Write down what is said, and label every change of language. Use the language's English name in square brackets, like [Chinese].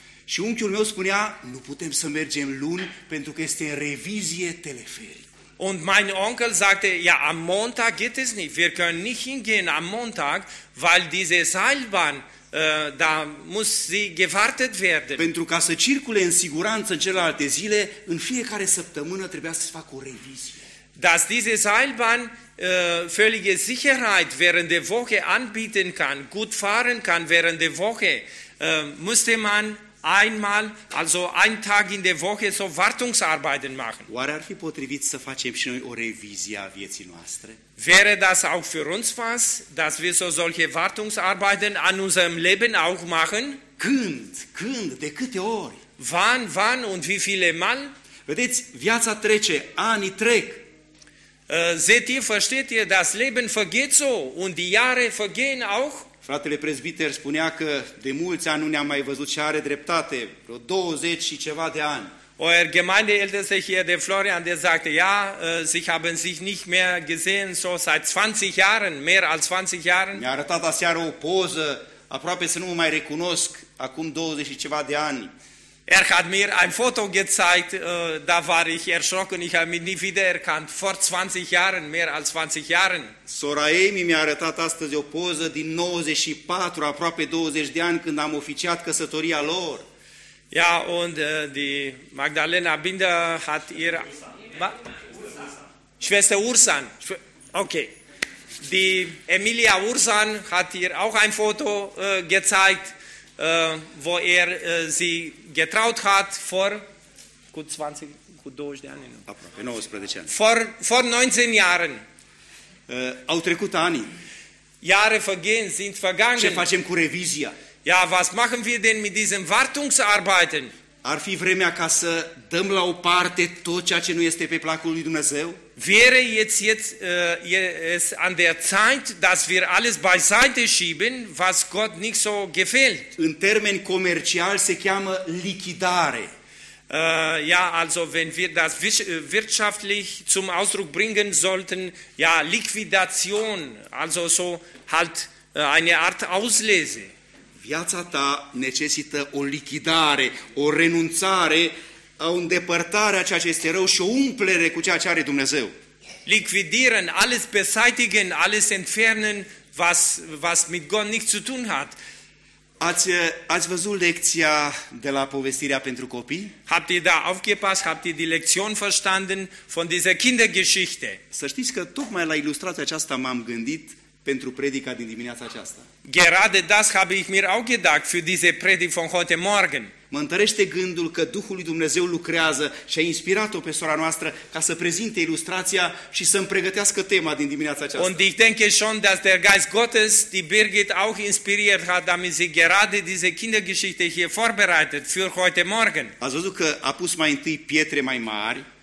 [Romanian] Și unchiul meu spunea, nu putem să mergem luni pentru că este revizie teleferic. [German] Und mein Onkel sagte, ja, am Montag geht es nicht. Wir können nicht hingehen am Montag, weil diese Seilbahn da muss sie gewartet werden. [Romanian] Pentru ca să circule în siguranță în celelalte zile, în fiecare săptămână trebuia să se facă o revizie. [German] Dass diese Seilbahn völlige Sicherheit während der Woche anbieten kann, gut fahren kann während der Woche, musste man einmal, also ein Tag in der Woche so Wartungsarbeiten machen. [Romanian] Oare ar fi potrivit să facem și noi o revizie a vieții noastre? [German] Wäre das auch für uns was, dass wir so solche Wartungsarbeiten an unserem Leben auch machen? [Romanian] Când, de câte ori? [German] Wann und wie viele Mal? [Romanian] Vedeți, viața trece, anii trec. [German] Seht ihr, versteht ihr, das Leben vergeht so und die Jahre vergehen auch? [Romanian] Fratele presbiter spunea că de mulți ani nu ne-am mai văzut și are dreptate, vreo 20 și ceva de ani. [German] Euer Gemeindeältester hier, der Florian, der sagte, ja, sie haben sich nicht mehr gesehen, so seit 20 Jahren, mehr als 20 Jahren. [Romanian] Mi-a arătat aseară o poză, aproape să nu mă mai recunosc, acum 20 și ceva de ani. [German] Hat mir ein Foto gezeigt, da war ich erschrocken, ich habe mich nie wieder erkannt, vor 20 Jahren, mehr als 20 Jahren. [Romanian] Sora Amy mi-a arătat astăzi o poză din 94, aproape 20 de ani, când am oficiat căsătoria lor. [German] Ja, und die Magdalena Binder hat ihre... Schwester Ursan. Okay. Die Emilia Ursan hat ihr auch ein Foto gezeigt, wo er sie getraut hat vor gut 20, gut 20 [Romanian] de ani, nu? Aproape 19 ani. [German] Vor 19 Jahren. [Romanian] Au trecut ani. [German] Jahre vergehen, sind vergangen. [Romanian] Ce facem cu revizia? [German] Ja, was machen wir denn mit diesen Wartungsarbeiten? [Romanian] Ar fi vremea ca să dăm la o parte tot ceea ce nu este pe placul lui Dumnezeu? [German] Wäre jetzt es an der Zeit, dass wir alles beiseite schieben, was Gott nicht so gefällt? [Romanian] În termen comercial se cheamă lichidare. [German] Ja, also wenn wir das wirtschaftlich zum Ausdruck bringen sollten, ja, Liquidation, also so halt eine Art Auslese. [Romanian] Viața ta necesită o lichidare, o renunțare, o îndepărtare a ceea ce este rău și o umplere cu ceea ce are Dumnezeu. [German] Liquidieren, alles beseitigen, alles entfernen, was mit Gott nichts zu tun hat. [Romanian] Ați văzut lecția de la povestirea pentru copii? [German] Habt ihr da aufgepasst? Habt ihr die Lektion verstanden von dieser Kindergeschichte? [Romanian] Să știți că tocmai la ilustrația aceasta m-am gândit pentru predica din dimineața aceasta. [German] Gerade das habe ich mir auch gedacht für diese Predigt von heute Morgen. [Romanian] Mă întărește gândul că Duhul lui Dumnezeu lucrează și a inspirat-o pe sora noastră ca să prezinte ilustrația și să-mi pregătească tema din dimineața aceasta. [German] Und ich denke schon, dass der Geist Gottes die Birgit auch inspiriert hat, damit sie gerade diese Kindergeschichte hier vorbereitet für heute Morgen. [Romanian] Ați văzut că a pus mai întâi pietre mai mari.